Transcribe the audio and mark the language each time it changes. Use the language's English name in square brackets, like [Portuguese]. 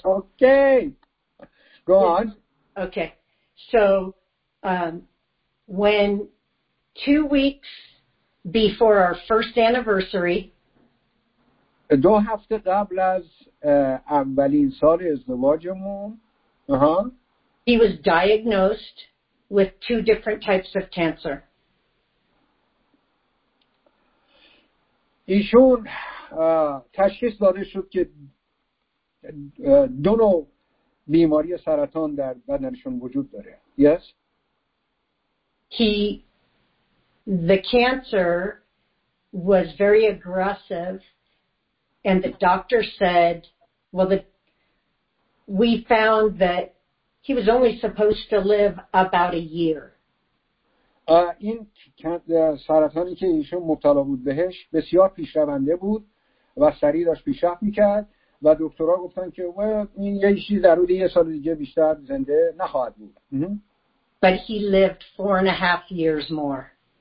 [English] Okay. Go on. Okay. So, when 2 weeks before our first anniversary, [Persian] دو هفته قبل از اولین سال ازدواجمون, [English] he was diagnosed with 2 different types of cancer. [Persian] ایشون تشخیص داده شد که دو نوع بیماری سرطان در بدنشون وجود داره. [English] Yes. The cancer was very aggressive, and the doctor said, we found that he was only supposed to live about a year. [Persian] این سرطانی که ایشون مبتلا بود بهش بسیار پیشرونده بود و سریع داشت پیشرفت میکرد و دکترها گفتن که این یه چیزی در حدود 1 سال دیگه بیشتر زنده نخواهد بود. [English] But he lived 4.5 years more.